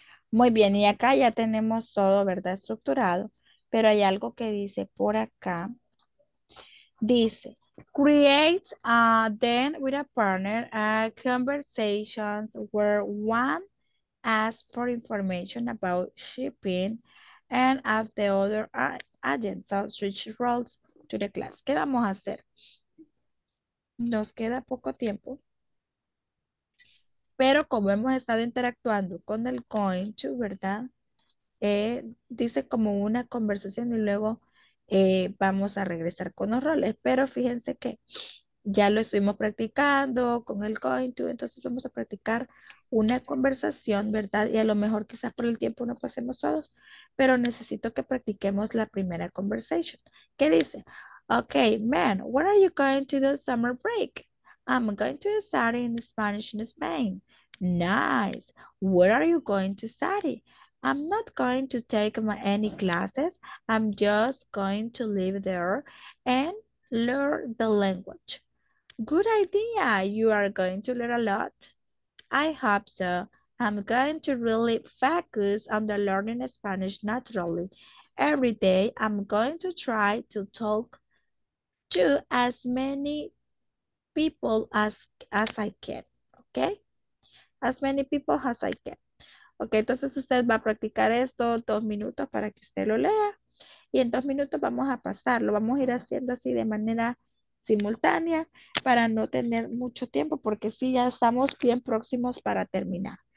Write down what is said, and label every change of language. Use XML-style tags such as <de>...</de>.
<es>Muy bien, y acá ya tenemos todo, ¿verdad? Estructurado, pero hay algo que dice por acá. Dice,</es> <en>create then with a partner conversations where one asks for information about shipping and of the other agents of switch roles to the class.</en> <es>¿Qué vamos a hacer? Nos queda poco tiempo. Pero como hemos estado interactuando con el going to, ¿verdad? Dice como una conversación y luego vamos a regresar con los roles. Pero fíjense que ya lo estuvimos practicando con el going to. Entonces vamos a practicar una conversación, ¿verdad? Y a lo mejor quizás por el tiempo no pasemos todos. Pero necesito que practiquemos la primera conversación. ¿Qué dice?</es> <en>Okay, man, what are you going to do summer break? I'm going to study in Spanish in Spain. Nice. Where are you going to study? I'm not going to take any classes. I'm just going to live there and learn the language. Good idea. You are going to learn a lot. I hope so. I'm going to really focus on the learning Spanish naturally. Every day, I'm going to try to talk to as many people as I can, okay? As many people as I can.</en> <es>Okay, entonces usted va a practicar esto 2 minutos para que usted lo lea. Y en 2 minutos vamos a pasarlo. Vamos a ir haciendo así de manera simultánea para no tener mucho tiempo porque sí, ya estamos bien próximos para terminar.</es>